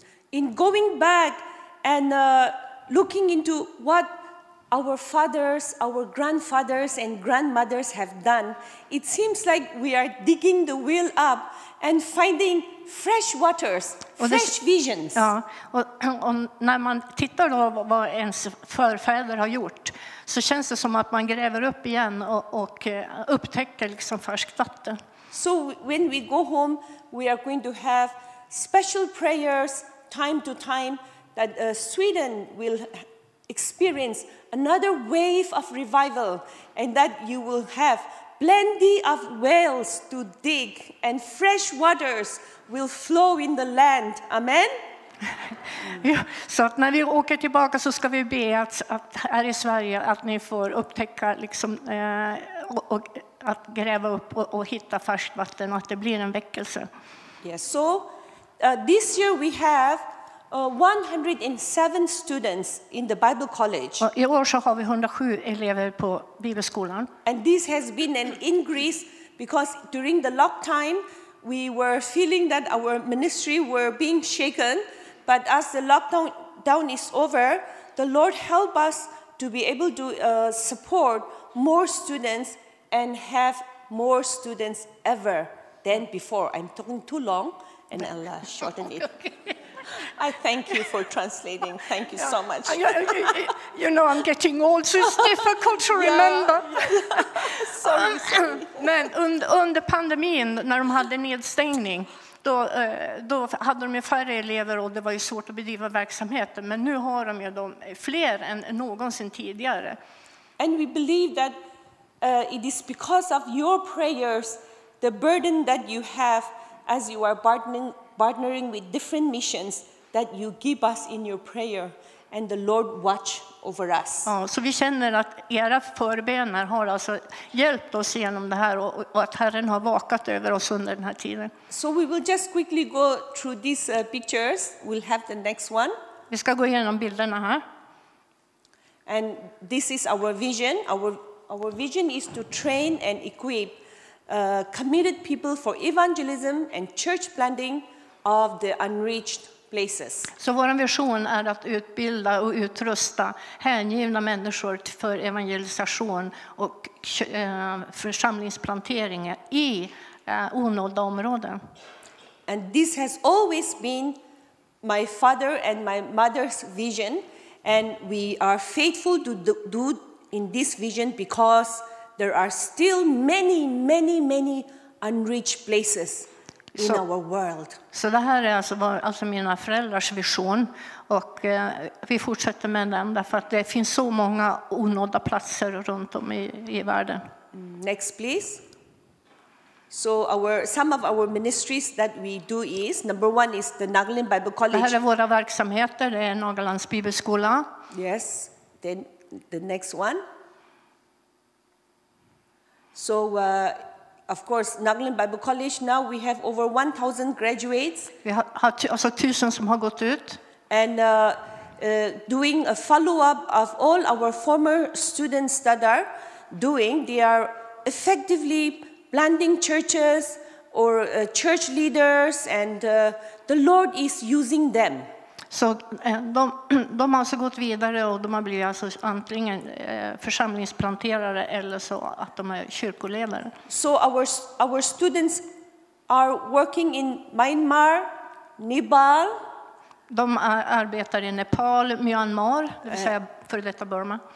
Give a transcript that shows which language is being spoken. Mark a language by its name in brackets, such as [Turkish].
[English] In going back and looking into what our fathers, our grandfathers and grandmothers have done, it seems like we are digging the well up and finding fresh waters, fresh visions. [Swedish] Ja, och när man tittar på vad ens förfäder har gjort, så känns det som att man gräver upp igen och upptäcker liksom färskt vatten. [English] So when we go home, we are going to have special prayers time to time that Sweden will experience another wave of revival, and that you will have plenty of wells to dig and fresh waters will flow in the land. Amen. [Swedish] Ja, så att när vi åker tillbaka, så ska vi be att här i Sverige att ni får upptäcka liksom och att gräva upp och hitta färskt vatten, och att det blir en väckelse. [English] Yes, so this year we have 107 students in the Bible College. [Swedish] I år så har vi 107 elever på Bibelskolan. [English] And this has been an increase because during the lock time we were feeling that our ministry were being shaken, but as the lockdown is over, the Lord help us to be able to support more students and have more students ever than before. I'm talking too long and I'll shorten it. I thank you for translating. Thank you so much. You know, I'm getting old, so it's difficult to remember. Sorry. [Swedish] Men under pandemin, när de hade nedstängning, då hade de färre elever och det var ju svårt att bedriva verksamheten. Men nu har de ju fler än någonsin tidigare. [English] And we believe that it is because of your prayers, the burden that you have as you are partnering with different missions, that you give us in your prayer and the Lord watch over us. [Swedish] Ja, så vi känner att era förbeningar har alltså hjälpt oss genom det här, och att Herren har vakat över oss under den här tiden. [English] So we will just quickly go through these pictures. We'll have the next one. [Swedish] Vi ska gå igenom bilderna här. [English] And this is our vision. Our vision is to train and equip committed people for evangelism and church planting of the unreached places. [Swedish] Så vår vision är att utbilda och utrusta hängivna människor för evangelisation och församlingsplantering i onådda områden. [English] And this has always been my father and my mother's vision, and we are faithful to do in this vision because there are still many, many, many unreached places in our world. [Swedish] Så det här är alltså mina föräldrars vision, och vi fortsätter med den därför att det finns så många onådda platser runt om i världen. [English] Next, please. So some of our ministries that we do is, number one is the Nagaland Bible College. [Swedish] Det här är våra verksamheter, det är Nagalands bibelskola. [English] Yes, then the next one. So of course, Nagaland Bible College, now we have over 1,000 graduates. [Swedish] Vi har alltså 1,000 som har gått ut. [English] And doing a follow-up of all our former students that are doing, they are effectively planting churches or church leaders, and the Lord is using them. [Swedish] Så de har så gått vidare, och de har blivit alltså antingen församlingsplanterare eller så att de är kyrkoledare. [English] So our students are working in Myanmar, Nepal. [Swedish] De arbetar i Nepal, Myanmar, det vill säga för detta Burma.